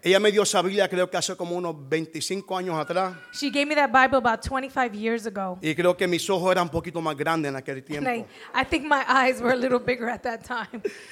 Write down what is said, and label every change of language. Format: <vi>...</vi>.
<es>Ella me dio esa Biblia creo que hace como unos 25 años atrás.</es> <en>She gave me that Bible about 25 years ago.</en> <es>Y creo que mis ojos eran un poquito más grandes en aquel tiempo.</es> <en>And I think my eyes were a little bigger at that time.</en>